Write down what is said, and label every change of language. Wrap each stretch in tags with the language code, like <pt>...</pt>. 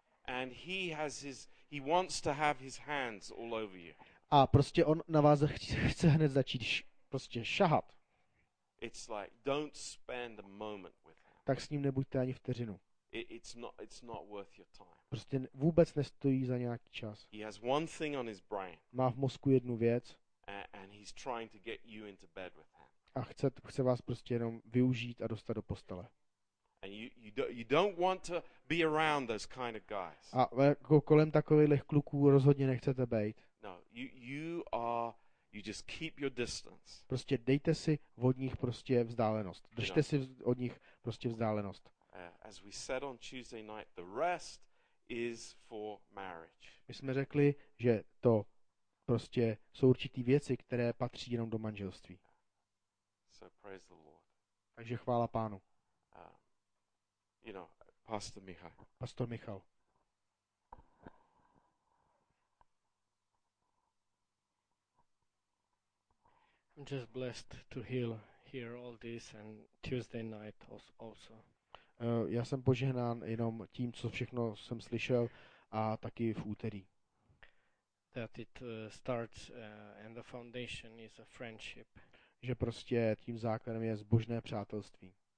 <en>And he wants to have his hands all over you.</en> <cs>A prostě on na vás chce hned začít prostě šahat.</cs> <en>It's like don't spend a moment with him.</en> <cs>Tak s ním nebuďte ani vteřinu.</cs> <en>It's not worth your time.</en> <cs>Prostě vůbec nestojí za nějaký čas.</cs> <en>He has one thing on his brain.</en> <cs>Má v mozku jednu věc.</cs> <en>And he's trying to get you into bed with him.</en> <cs>A chce vás prostě jenom využít a dostat do postele.</cs> <en>And you don't want to be around those kind of guys.</en> <cs>A jako kolem takových kluků rozhodně nechcete být.</cs> <en>No, you just keep your distance.</en> <cs>Prostě dejte si od nich prostě vzdálenost. Držte si od nich prostě vzdálenost.</cs> <en>As we said on Tuesday night, the rest is for marriage.</en> <cs>My jsme řekli, že to prostě jsou určitý věci, které patří jenom do manželství.</cs> <en>So praise the Lord.</en> <cs>Takže chvála Pánu.</cs> <en>You know, Pastor Michal.</en> <cs>Pastor Michal.</cs> <en>I'm just blessed to hear all this and Tuesday night also.</en> <cs>Já jsem požehnán jenom tím, co všechno jsem slyšel a taky v úterý.</cs> <en>That it starts and the foundation is a friendship.</en> <cs>Že prostě tím základem je zbožné přátelství.</cs>